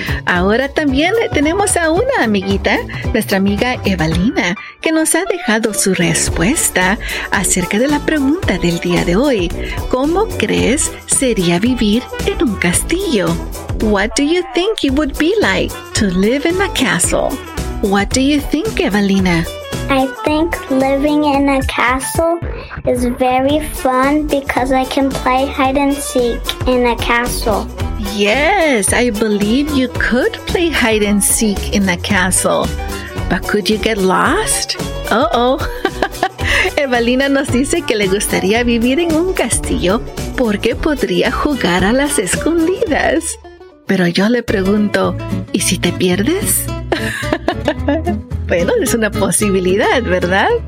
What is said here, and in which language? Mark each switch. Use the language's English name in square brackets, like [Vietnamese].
[Spanish] Ahora también tenemos a una amiguita, nuestra amiga Evalina, que nos ha dejado su respuesta acerca de la pregunta del día de hoy. ¿Cómo crees sería vivir en un castillo? [English] What do you think it would be like to live in a castle? What do you think, Evalina? I think living in a castle is very fun because I can play hide and seek in a castle. Yes, I believe you could play hide and seek in a castle. But could you get lost? Uh-oh. [Spanish] Evalina nos dice que le gustaría vivir en un castillo porque podría jugar a las escondidas. Pero yo le pregunto, ¿y si te pierdes? Bueno, es una posibilidad, ¿verdad?